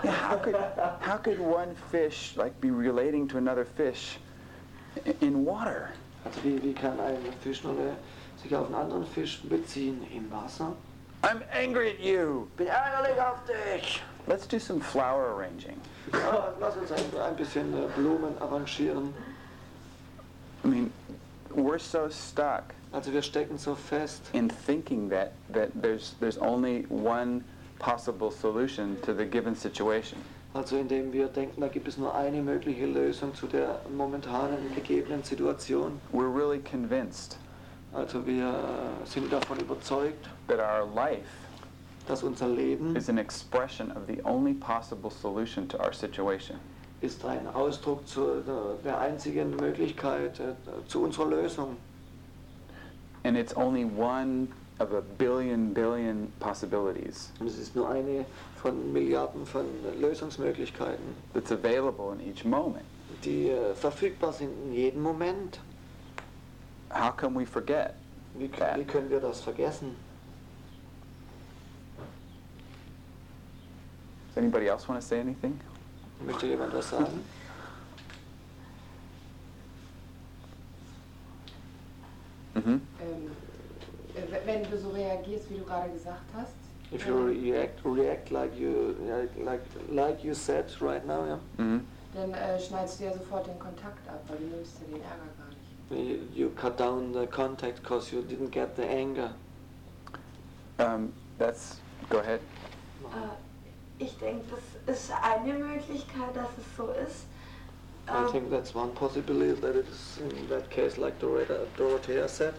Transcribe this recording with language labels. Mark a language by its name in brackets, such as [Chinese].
[English] How could one fish like be relating to another fish in water? [German] Also wie kann ein Fisch oder sich auf einen anderen Fisch beziehen im Wasser? [English] I'm angry at you. [German] Bin ärgerlich auf dich. [English] Let's do some flower arranging. [German] Lass uns ein bisschen Blumen arrangieren. [English] I mean, we're so stuck. [German] Also wir stecken so fest [English] in thinking that there's only one possible solution to the given situation. [German] Also indem wir denken, da gibt es nur eine mögliche Lösung zu der momentanen gegebenen Situation. [English] We're really convinced. [German] Also wir sind davon überzeugt, [English] that our life, [German] dass unser Leben, [English] is an expression of the only possible solution to our situation. [German] Ist ein Ausdruck zu der einzigen Möglichkeit zu unserer Lösung. [English] And it's only one of a billion possibilities. [German] Und es ist nur eine von Milliarden von Lösungsmöglichkeiten. [English] That's available in each moment. [German] Die verfügbar sind in jedem Moment. [English] How can we forget? [German] Wie können wir das vergessen? [English] Does anybody else want to say anything? [German] Möchte jemand was sagen? Wenn du so reagierst, wie du gerade gesagt hast. [English] If you react like you said right now, yeah. Mm-hmm. [German] Dann schneidest du ja sofort den Kontakt ab, weil du nimmst ja den Ärger gar nicht. [English] You cut down the contact because you didn't get the anger. Go ahead. [German] Ich denke, das ist eine Möglichkeit, dass es so ist. [English] I think that's one possibility, that it is in that case like Dorothea said.